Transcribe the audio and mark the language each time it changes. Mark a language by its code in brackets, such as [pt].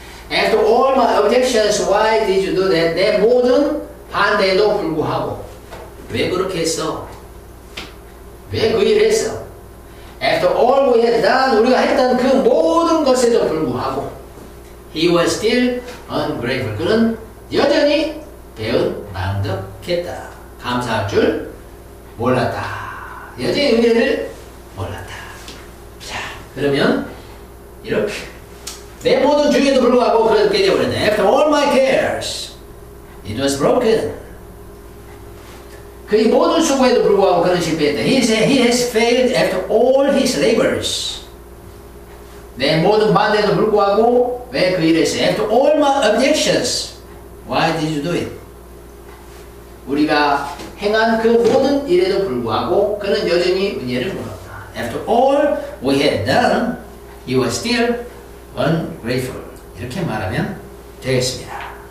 [en] After all my objections, why did you do that? [ko] 내 모든 반대에도 불구하고. 왜 그렇게 했어? 왜 그 일을 했어? [en] After all we had done, [ko] 우리가 했던 그 모든 것에도 불구하고. [en] He was still ungrateful. [ko] 그는 여전히 배운 만덕했다. 감사할 줄 몰랐다. 여전히 은혜를 몰랐다. 자, 그러면 이렇게 내 모든 중에도 불구하고 그래도 깨져버렸네. [en] After all my cares, it was broken. [ko] 그의 모든 수고에도 불구하고 그는 실패했다. [en] He said he has failed after all his labors. [ko] 내 모든 반대에도 불구하고 왜 그 일을 했어? [en] After all my objections, why did you do it? [ko] 우리가 행한 그 모든 일에도 불구하고 그는 여전히 은혜를 몰랐다. [en] After all we had done, he was still ungrateful. [ko] 이렇게 말하면 되겠습니다.